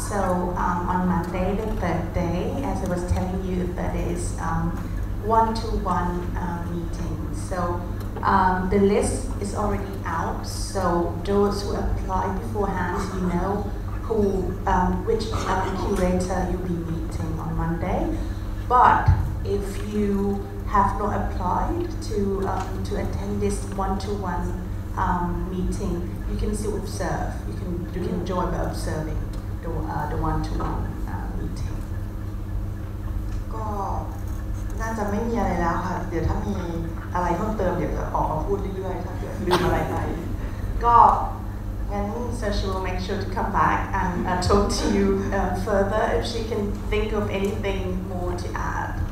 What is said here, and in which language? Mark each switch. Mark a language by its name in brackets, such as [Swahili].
[English] so on Monday the third day as I was telling you that is one-to-one meeting so the list is already out so those who apply beforehand you know who which curator you'll be meeting on Monday butIf you have not applied to attend this one-to-one meeting, you can still observe. You can join by observing the one-to-one meeting. [Thai] ก็น่าจะไม่มีอะไรแล้วค่ะเดี๋ยวถ้ามีอะไรเพิ่มเติมเดี๋ยวจะออกมาพูดเรื่อยๆถ้าเกิดลืมอะไรไป ก็งั้น [English] Sasha will make sure to come back and talk to you further if she can think of anything more to add.